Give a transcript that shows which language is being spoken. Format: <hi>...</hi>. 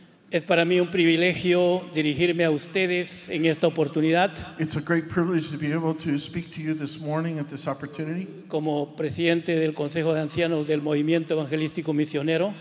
<es>Es para mí un privilegio dirigirme a ustedes en esta oportunidad.</es> <en>It's a great privilege to be able to speak to you this morning at this opportunity.</en> <es>Como presidente del Consejo de Ancianos del Movimiento Evangelístico Misionero.</es>